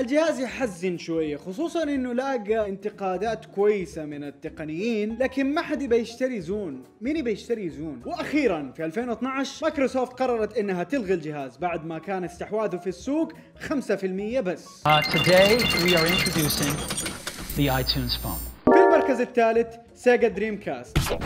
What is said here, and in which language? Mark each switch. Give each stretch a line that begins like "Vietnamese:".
Arabic: الجهاز يحزن شويه، خصوصا انه لاقى انتقادات كويسه من التقنيين، لكن ما حد بيشتري زون. مين بيشتري زون؟ واخيرا في 2012 مايكروسوفت قررت انها تلغي الجهاز بعد ما كان استحواذه في السوق 5% بس.
English: We are introducing the iTunes phone.
Arabic: في المركز الثالث سيجا دريم كاست.